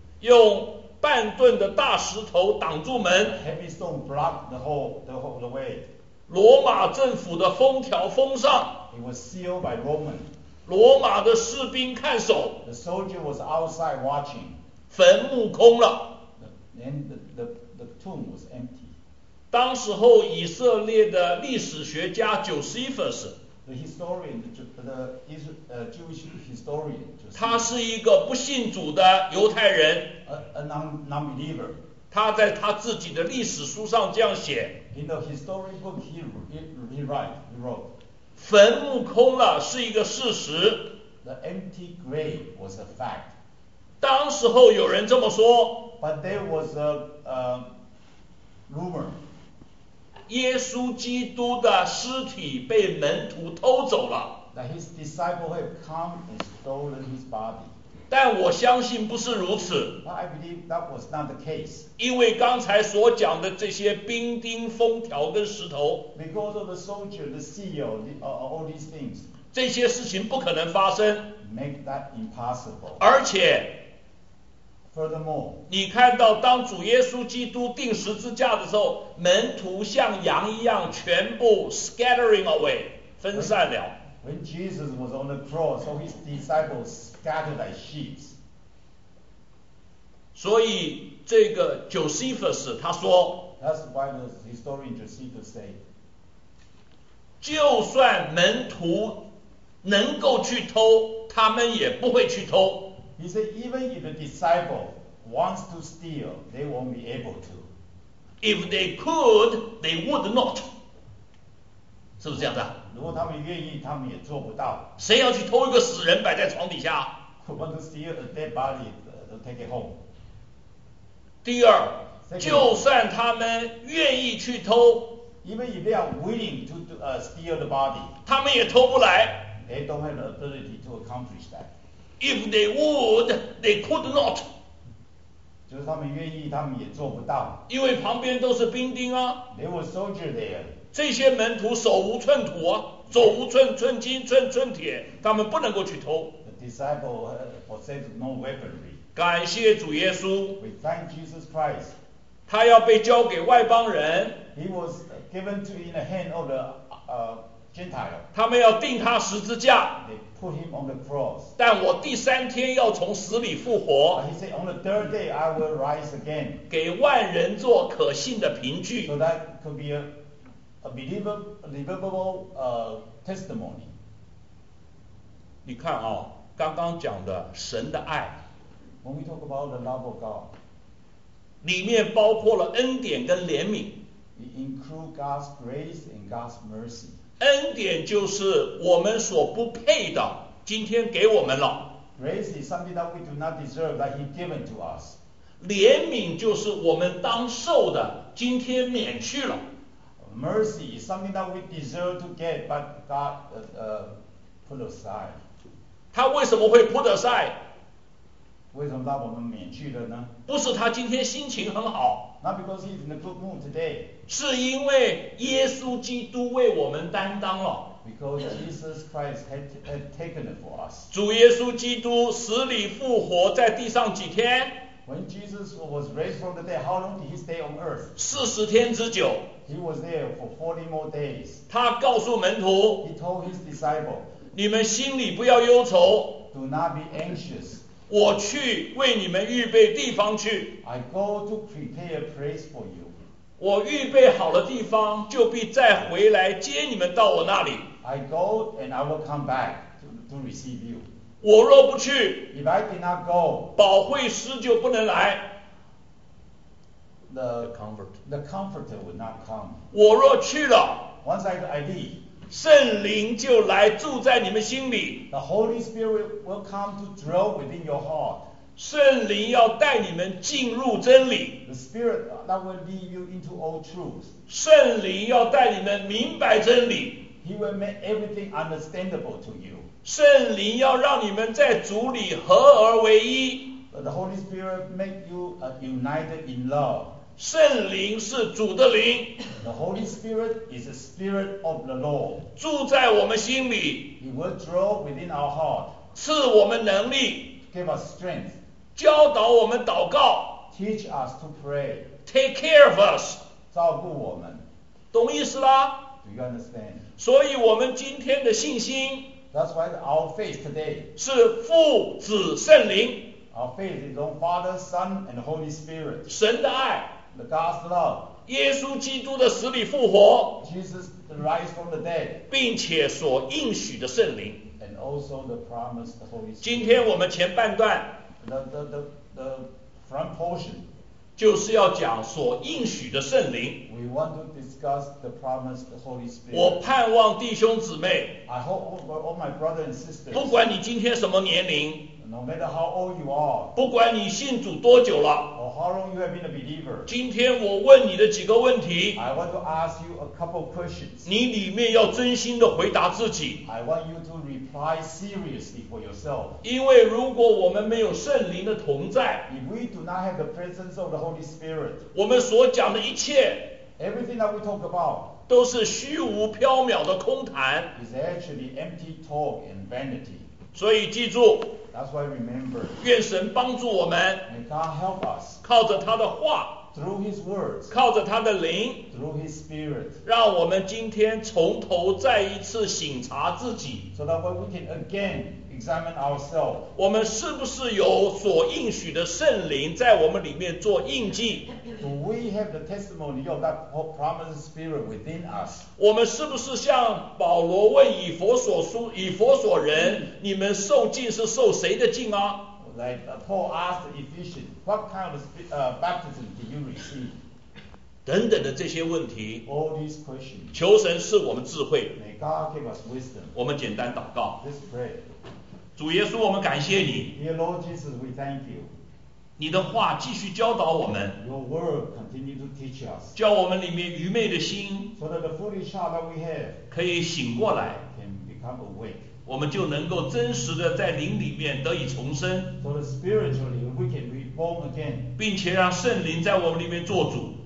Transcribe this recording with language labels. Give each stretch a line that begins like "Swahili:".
Chinese: 用半吨的大石头挡住门。
English: A heavy stone blocked the whole way.
Chinese: 罗马政府的封条封上。
English: He was sealed by Roman.
Chinese: 罗马的士兵看守。
English: The soldier was outside watching.
Chinese: 坟墓空了。
English: The tomb was empty.
Chinese: 当时候以色列的历史学家 Josephus。
English: The historian, the Jewish historian,
Chinese: 他是一个不信主的犹太人
English: a non-believer.
Chinese: 他在他自己的历史书上这样写
English: In the historic book he wrote,
Chinese: 坟墓空了是一个事实
English: The empty grave was a fact.
Chinese: 当时候有人这么说
English: But there was a rumor.
Chinese: 耶稣基督的尸体被门徒偷走了。
English: That his disciples have come and stolen his body.
Chinese: 但我相信不是如此。
English: But I believe that was not the case.
Chinese: 因为刚才所讲的这些兵丁、封条跟石头。
English: Because of the soldier, the seal, all these things.
Chinese: 这些事情不可能发生。
English: Make that impossible.
Chinese: 而且
English: Furthermore,
Chinese: 你看到当主耶稣基督钉十字架的时候，门徒像羊一样全部
English: scattering away，
Chinese: 分散了。
English: When Jesus was on the cross, all his disciples scattered like sheep.
Chinese: 所以这个 Josephus 他说
English: ，That's why the historian Josephus said，
Chinese: 就算门徒能够去偷，他们也不会去偷。
English: He said, even if a disciple wants to steal, they won't be able to. If they could, they would not.
Chinese: 是不是这样子啊？如果他们愿意，他们也做不到。谁要去偷一个死人摆在床底下
English: ？Who want to steal a dead body to take it home?
Chinese: 第二，
English: Second,
Chinese: 就算他们愿意去偷
English: ，even if they are willing to steal the body，
Chinese: 他们也偷不来。
English: They don't have the ability to accomplish that. If they would, they could not.
Chinese: 就是他们愿意，他们也做不到。因为旁边都是兵丁啊。
English: They were soldiers there.
Chinese: 这些门徒手无寸土啊，走无寸金寸寸铁，他们不能够去偷。
English: The disciples possessed no weaponry.
Chinese: 感谢主耶稣。
English: We thank Jesus Christ.
Chinese: 他要被交给外邦人。
English: He was given to in the hand of the Gentile.
Chinese: 他们要钉他十字架。
English: Put him on the cross.
Chinese: 但我第三天要从死里复活。
English: He said, on the third day I will rise again.
Chinese: 给万人做可信的凭据。
English: So that could be a believable testimony.
Chinese: 你看啊，刚刚讲的神的爱。
English: When we talk about the love of God.
Chinese: 里面包括了恩典跟怜悯。
English: It includes God's grace and God's mercy.
Chinese: 恩典就是我们所不配的，今天给我们了。
English: Grace is something that we do not deserve, that He given to us.
Chinese: 怜悯就是我们当受的，今天免去了。
English: Mercy is something that we deserve to get, but God put aside.
Chinese: 他为什么会
English: put aside?
Chinese: 为什么让我们免去了呢？不是他今天心情很好。
English: Not because he's in a good mood today.
Chinese: 是因为耶稣基督为我们担当了。
English: Because Jesus Christ had taken it for us.
Chinese: 主耶稣基督死里复活在地上几天？
English: When Jesus was raised from the dead, how long did he stay on earth?
Chinese: 40天之久。
English: He was there for 40 more days.
Chinese: 他告诉门徒，
English: He told his disciples,
Chinese: 你们心里不要忧愁。
English: Do not be anxious.
Chinese: 我去为你们预备地方去。
English: I go to prepare a place for you.
Chinese: 我预备好了地方，就必再回来接你们到我那里。
English: I go and I will come back to receive you.
Chinese: 我若不去
English: ，If I did not go，
Chinese: 保惠师就不能来。
English: The comforter would not come.
Chinese: 我若去了
English: ，Once I leave。
Chinese: 圣灵就来住在你们心里。
English: The Holy Spirit will come to dwell within your heart.
Chinese: 圣灵要带你们进入真理。
English: The Spirit that will lead you into all truth.
Chinese: 圣灵要带你们明白真理。
English: He will make everything understandable to you.
Chinese: 圣灵要让你们在主里合而为一。
English: The Holy Spirit make you united in love.
Chinese: 圣灵是主的灵。
English: The Holy Spirit is the Spirit of the Lord.
Chinese: 住在我们心里。
English: He will dwell within our heart.
Chinese: 赐我们能力。
English: Give us strength.
Chinese: 教导我们祷告。
English: Teach us to pray. Take care of us.
Chinese: 照顾我们。懂意思啦？
English: Do you understand?
Chinese: 所以我们今天的信心。
English: That's why our faith today.
Chinese: 是父子圣灵。
English: Our faith is on Father, Son, and Holy Spirit.
Chinese: 神的爱。
English: The God's love.
Chinese: 耶稣基督的死里复活。
English: Jesus rise from the dead.
Chinese: 并且所应许的圣灵。
English: And also the promise of the Holy Spirit.
Chinese: 今天我们前半段。
English: The front portion.
Chinese: 就是要讲所应许的圣灵。
English: We want to discuss the promise of the Holy Spirit.
Chinese: 我盼望弟兄姊妹。
English: I hope all my brothers and sisters.
Chinese: 不管你今天什么年龄。
English: No matter how old you are,
Chinese: 不管你信主多久了
English: or how long you have been a believer,
Chinese: 今天我问你的几个问题
English: I want to ask you a couple questions.
Chinese: 你里面要真心的回答自己
English: I want you to reply seriously for yourself.
Chinese: 因为如果我们没有圣灵的同在
English: If we do not have the presence of the Holy Spirit,
Chinese: 我们所讲的一切
English: Everything that we talk about,
Chinese: 都是虚无缥缈的空谈
English: is actually empty talk and vanity.
Chinese: 所以记住，
English: That's why remember.
Chinese: 愿神帮助我们，
English: May God help us.
Chinese: 靠着他的话，
English: Through his words.
Chinese: 靠着他的灵，
English: Through his spirit.
Chinese: 让我们今天从头再一次省察自己，
English: So that we can again examine ourselves.
Chinese: 我们是不是有所应许的圣灵在我们里面做印记？
English: Do we have the testimony of that promised spirit within us?
Chinese: 我们是不是像保罗问以弗所书以弗所人，你们受浸是受谁的浸啊？
English: Like Paul asked the Ephesians, what kind of baptism do you receive?
Chinese: 等等的这些问题，
English: All these questions.
Chinese: 求神赐我们智慧。
English: May God give us wisdom.
Chinese: 我们简单祷告。
English: Let's pray.
Chinese: 主耶稣，我们感谢你。
English: Dear Lord Jesus, we thank you.
Chinese: 你的话继续教导我们。
English: Your word continue to teach us.
Chinese: 教我们里面愚昧的心。
English: So that the foolish heart that we have
Chinese: 可以醒过来。
English: Can become awake.
Chinese: 我们就能够真实的在灵里面得以重生。
English: So that spiritually we can be born again.
Chinese: 并且让圣灵在我们里面做主。